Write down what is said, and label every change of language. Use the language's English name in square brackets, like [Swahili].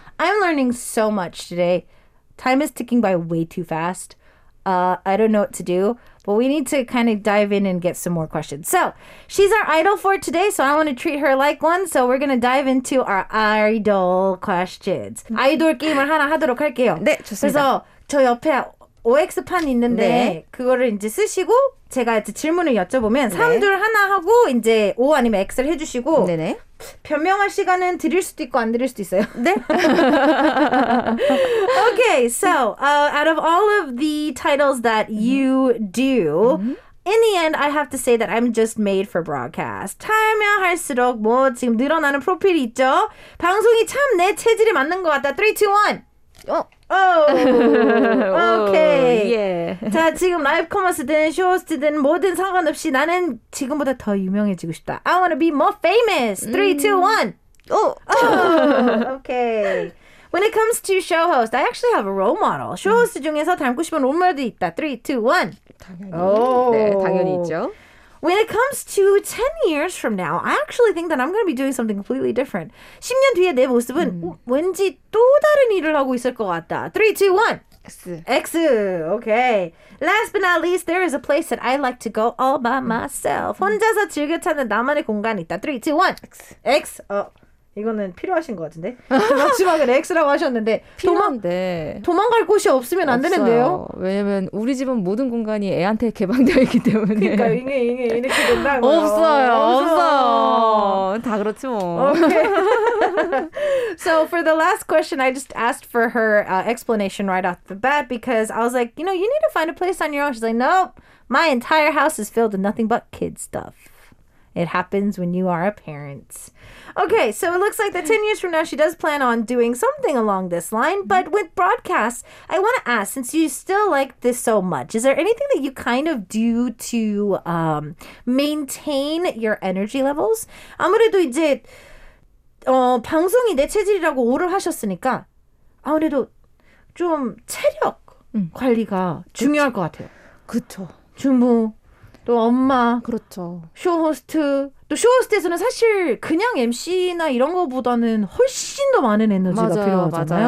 [English] I'm learning so much today. Time is ticking by way too fast. I don't know what to do. Well, we need to kind of dive in and get some more questions. So, she's our idol for today, so I want to treat her like one. So, we're going to dive into our idol questions. [Korean] 아이돌 게임을 하나 하도록 할게요. 네, 좋습니다. 그래서 저 옆에 OX판 있는데 네. 그거를 이제 쓰시고 제가 이제 질문을 여쭤보면 3, 2, 1 하고 이제 O 아니면 X를 해주시고 네네. 변명할 시간은 드릴 수도 있고 안 드릴 수도 있어요. 네. [English] Okay, so out of all of the titles that you do, in the end, I have to say that I'm just made for broadcast. [Korean] 참여할수록 뭐 지금 늘어나는 프로필이 있죠. 방송이 참 내 체질에 맞는 것 같다. 3, 2, 1. 오, 오케이. 예. 자, 지금 라이브 커머스든 쇼호스트든 뭐든 상관없이 나는 지금보다 더 유명해지고 싶다. [English] I want to be more famous. 3, 2, 1. [Korean] 오, [English] 오케이. When it comes to show host, I actually have a role model. [Korean] Show host 중에서 닮고 싶은 롤모델이 있다. 3, 2, 1. 당연히. 네, 당연히 있죠. [English] When it comes to 10 years from now, I actually think that I'm going to be doing something completely different. [Korean] 10년 뒤에 내 모습은 왠지 또 다른 일을 하고 있을 것 같다. 3, 2, 1. X. X. Okay. [English] Last but not least, there is a place that I like to go all by myself. [Korean] 혼자서 즐겨 찾는 나만의 공간이 있다. 3, 2, 1. X. X. 이거는 필요하신 것 같은데. 마지막에 X라고 하셨는데. 필요한데. 도망갈 곳이 없으면 안 없어요. 되는데요. 왜냐면 우리 집은 모든 공간이 애한테 개방되어 있기 때문에. 그러니까 이렇게 된다고. 없어요. 없어요. 다 그렇지 뭐. [English] Okay. So for the last question, I just asked for her explanation right off the bat because I was like, you know, you need to find a place on your own. She's like, nope. My entire house is filled with nothing but kid stuff. It happens when you are a parent. Okay, so it looks like that 10 years from now, she does plan on doing something along this line. But with broadcasts, I want to ask, since you still like this so much, is there anything that you kind of do to maintain your energy levels? [Korean] 아무래도 이제 방송이 내 체질이라고 오를 하셨으니까 아무래도 좀 체력 관리가 중요할 것 같아요. 그렇죠. 주무. 또 엄마, 그렇죠. 쇼호스트, 또 쇼호스트에서는 사실 그냥 MC나 이런 거보다는 훨씬 더 많은 에너지가 맞아요, 필요하잖아요.